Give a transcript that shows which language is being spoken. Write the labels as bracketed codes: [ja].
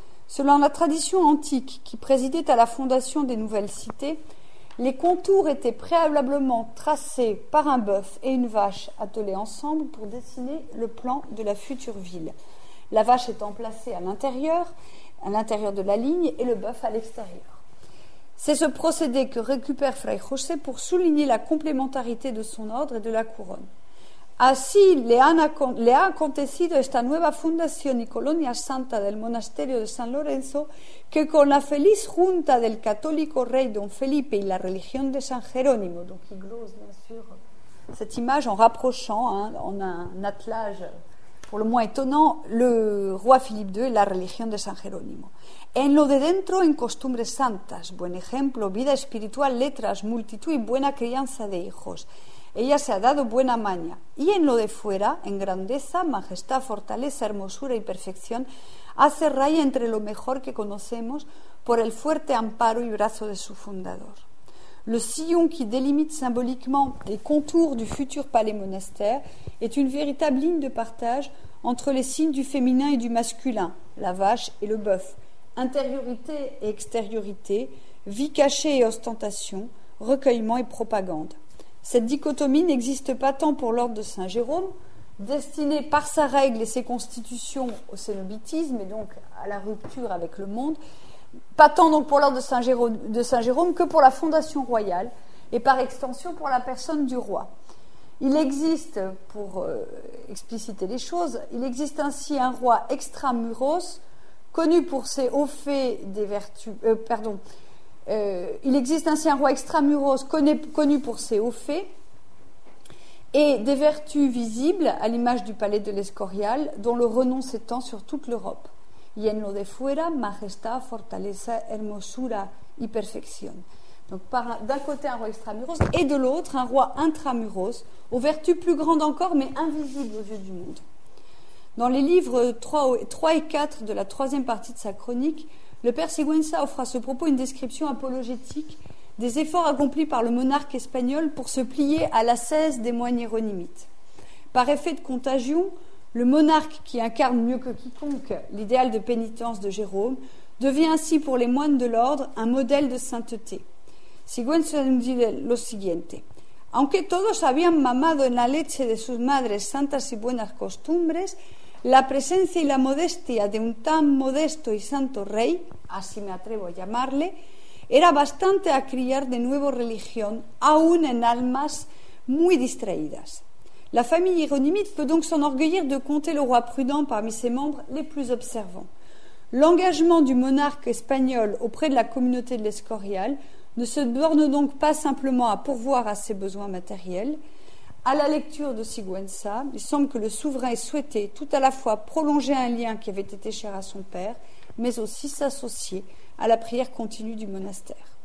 [fr] Selon la tradition antique qui présidait à la fondation des nouvelles cités, les contours étaient préalablement tracés par un bœuf et une vache attelés ensemble pour dessiner le plan de la future ville. La vache étant placée à l'intérieur de la ligne et le bœuf à l'extérieur. C'est ce procédé que récupère Fray José pour souligner la complémentarité de son ordre et de la couronne. [es] Así le ha acontecido esta nueva fundación y colonia santa del monasterio de San Lorenzo que con la feliz junta del católico rey Don Felipe y la religión de San Jerónimo. [fr] Donc il glose bien sûr cette image en rapprochant en un attelage pour le moins étonnant le roi Philippe II et la [es] religión de San Jerónimo. En lo de dentro en costumbres santas, buen ejemplo, vida espiritual, letras, multitud y buena crianza de hijos. Ella se ha dado buena maña y en lo de fuera, en grandeza, majestad, fortaleza, hermosura y perfección, hace raya entre lo mejor que conocemos por el fuerte amparo y brazo de su fundador. [fr] Le sillon qui délimite symboliquement les contours du futur palais monastère est une véritable ligne de partage entre les signes du féminin et du masculin, la vache et le bœuf, intériorité et extériorité, vie cachée et ostentation, recueillement et propagande. Cette dichotomie n'existe pas tant pour l'ordre de Saint-Jérôme, destiné par sa règle et ses constitutions au cénobitisme et donc à la rupture avec le monde, pas tant donc pour l'ordre de Saint-Jérôme que pour la fondation royale et par extension pour la personne du roi. Il existe, pour expliciter les choses, il existe ainsi un roi extramuros, connu pour ses hauts faits des vertus. Il existe ainsi un roi extramuros, connu pour ses hauts faits et des vertus visibles, à l'image du palais de l'Escorial, dont le renom s'étend sur toute l'Europe. [es] Y en lo de fuera, majestad, fortaleza, hermosura y perfección. [fr] Donc, d'un côté, un roi extramuros, et de l'autre, un roi intramuros, aux vertus plus grandes encore, mais invisibles aux yeux du monde. Dans les livres 3 et 4 de la troisième partie de sa chronique, le père Sigüenza offre à ce propos une description apologétique des efforts accomplis par le monarque espagnol pour se plier à l'ascèse des moines hiéronymites. Par effet de contagion, le monarque, qui incarne mieux que quiconque l'idéal de pénitence de Jérôme, devient ainsi pour les moines de l'ordre un modèle de sainteté. Sigüenza nous dit [es] lo siguiente. Aunque todos habían mamado en la leche de sus madres santas y buenas costumbres, la presencia y la modestia de un tan modesto y santo rey, así me atrevo a llamarle, era bastante a criar de nuevo religión, aún en almas muy distraídas. [fr] La famille hiéronymite peut donc s'enorgueillir de compter le roi prudent parmi ses membres les plus observants. L'engagement du monarque espagnol auprès de la communauté de l'Escorial ne se borne donc pas simplement à pourvoir à ses besoins matériels. À la lecture de Sigüenza, il semble que le souverain ait souhaité tout à la fois prolonger un lien qui avait été cher à son père, mais aussi s'associer à la prière continue du monastère.